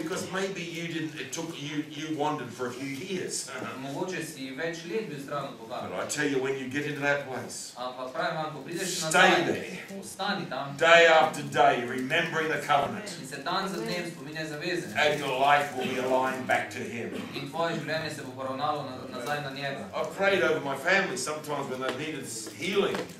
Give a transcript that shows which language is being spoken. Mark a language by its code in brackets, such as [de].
[en] Because maybe you didn't, it took you, you wandered for a few years. [sl] Mogoče si več let bil stran od Boga. [en] But I tell you, when you get into that place, [sl] ampak pravim vam, ko prideš nazaj, [en] stay there. [sl] Ostani tam. [en] Day after day, remembering the covenant. [sl] In se dan za dnem spominjaj zaveze. [en] And your life will be aligned back to him. [sl] In tvoje življenje se bo poravnalo nazaj na njega. [en] I prayed over my family sometimes when they needed healing.